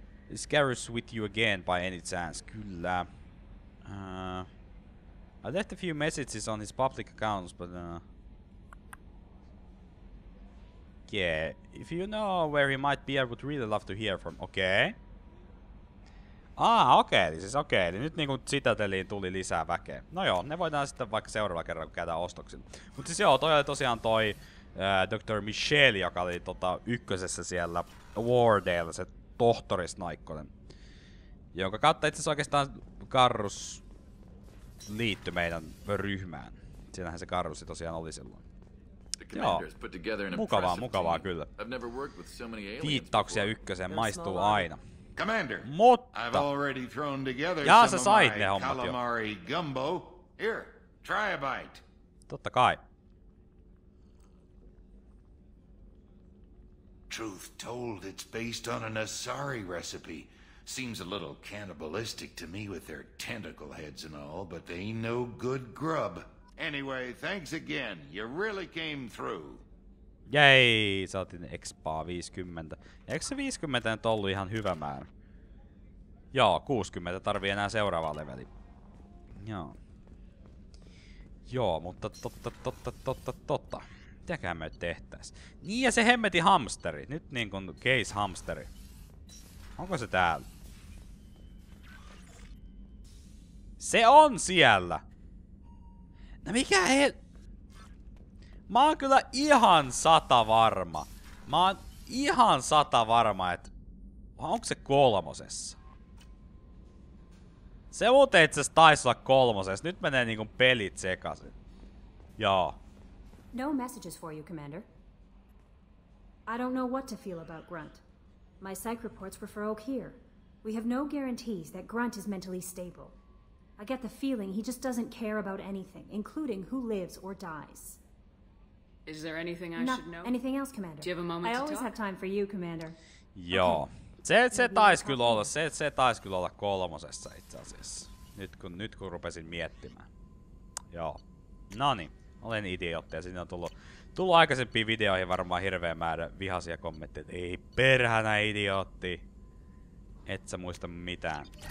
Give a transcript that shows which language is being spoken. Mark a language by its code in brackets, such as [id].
[en] Is Garrus with you again by any chance? [fi] Kyllä. [en] I left a few messages on his public accounts, but... Yeah. If you know where he might be, I would really love to hear from... [fi] Okei. Okay. Okei. Eli nyt niinku Citadeliin tuli lisää väkeä. No joo, ne voidaan sitten vaikka seuraava kerran, kun käydään ostoksilla. Mut siis joo, toi oli tosiaan toi Dr. Michelle, joka oli tota ykkösessä siellä Wardale, se tohtori Snaikkonen. Jonka kautta itse asiassa oikeastaan Garrus liittyi meidän ryhmään. Siinähän se Garrus tosiaan oli silloin. Joo, mukavaa kyllä. Viittauksia ykköseen maistuu aina. [en] Commander, [fi] mutta... [en] I've already thrown together jaa, some [fi] sä sait [en] of my calamari jo. Gumbo. Here, try a bite. [fi] Totta kai. [en] Truth told, it's based on an Asari recipe. Seems a little cannibalistic to me with their tentacle heads and all, but they ain't no good grub. Anyway, thanks again. You really came through. [fi] Jei, saatiin expaa 50. Eikö se 50 nyt ollut ihan hyvä määrä? Joo, 60 tarvii enää seuraavaa leveli. Joo. Joo, mutta totta. Mitäköhän me tehtäis? Niin, ja se hemmeti hamsteri. Nyt niinku case hamsteri. Onko se täällä? Se on siellä! No mikä hel... Mä oon kyllä ihan sata varma. Mä oon ihan sata varma, että... Onko se kolmosessa? Se muuten itseasiassa taisi olla kolmosessa. Nyt menee niinku pelit sekaisin. Joo. [en] No messages for you, Commander. I don't know what to feel about Grunt. My psych reports refer Oak here. We have no guarantees that Grunt is mentally stable. I get the feeling he just doesn't care about anything, including who lives or dies. Is there anything I should know? Anything else, Commander? Do you have a moment to talk? I always have time for you, Commander. [fi] Joo. Se taisi kyllä olla, se taisi kyllä olla kolmosessa itse asiassa. Nyt kun rupesin miettimään. Joo. Noni. Olen idiootti ja sinne on tullut aikaisempiin videoihin varmaan hirveä määrä vihaisia kommentteja. Ei perhänä idiootti. Et sä muista mitään.